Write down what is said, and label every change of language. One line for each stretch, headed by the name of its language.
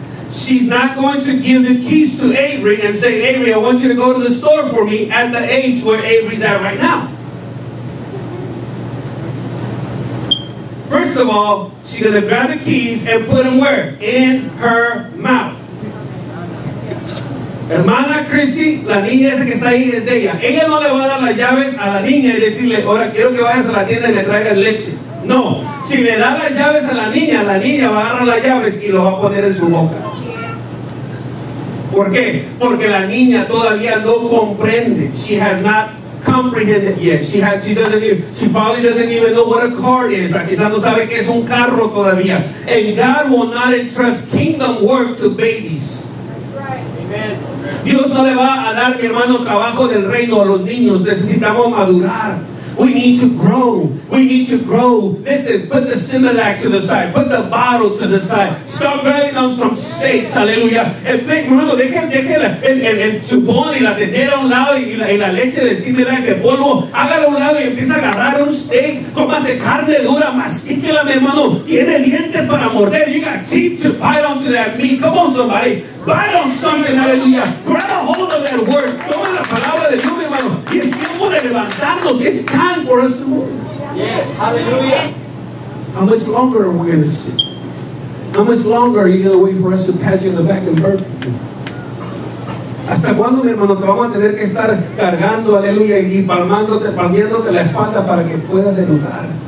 English: She's not going to give the keys to Avery and say, Avery, I want you to go to the store for me at the age where Avery's at right now. First of all, she's going to grab the keys and put them where? In her mouth.
Spanish: Hermana Christy, la niña esa que está ahí es de ella. Ella no le va a dar las llaves a la niña y decirle, ahora quiero que vayas a la tienda y me traigas leche. No, si le da las llaves a la niña va a agarrar las llaves y lo va a poner en su boca. ¿Por qué? Porque la niña todavía no comprende.
English: She has not comprehended yet. She probably doesn't even know what a car is.
Spanish: Quizás no sabe que es un carro todavía.
English: And God will not entrust kingdom work to babies.
Spanish: Dios no le va a dar, mi hermano, trabajo del reino a los niños. Necesitamos madurar.
English: We need to grow. We need to grow. Listen, put the Similac to the side. Put the bottle to the side. Stop grabbing on some steaks. Aleluya.
Spanish: Hermano, deje el chupón y la tetera a un lado y la leche de Similac de polvo. Hágalo a un lado y empieza a agarrar un steak. Cómase carne dura. Mastíquela, mi hermano. Tiene dientes para morder.
English: You got teeth to bite onto that meat. Come on, somebody. Bite on something. Aleluya. Grab a hold of that word.
Spanish: Toma la palabra de Dios, mi hermano. Y es tiempo de levantarnos.
English: It's time for us to move. Yes, aleluya. How much longer are we going to sit? How much longer are you going to wait for us to pat you in the back and burp?
Spanish: ¿Hasta cuándo, mi hermano, te vamos a tener que estar cargando, aleluya, y palmándote, palmiéndote la espalda para que puedas educar?